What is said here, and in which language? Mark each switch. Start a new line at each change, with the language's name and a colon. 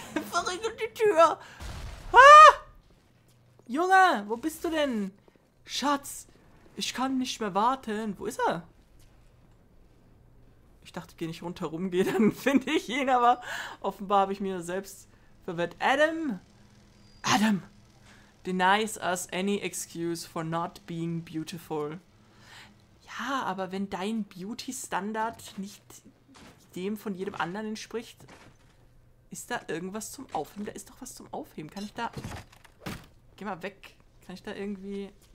German: Verriegelt die Tür. Ah! Junge, wo bist du denn? Schatz, ich kann nicht mehr warten. Wo ist er? Ich dachte, ich gehe nicht rundherum, gehe, dann finde ich ihn, aber offenbar habe ich mir selbst verwirrt. Adam! Adam!
English: Denies us any excuse for not being beautiful.
German: Ja, aber wenn dein Beauty-Standard nicht dem von jedem anderen entspricht, ist da irgendwas zum Aufheben? Da ist doch was zum Aufheben. Kann ich da... Geh mal weg. Kann ich da irgendwie...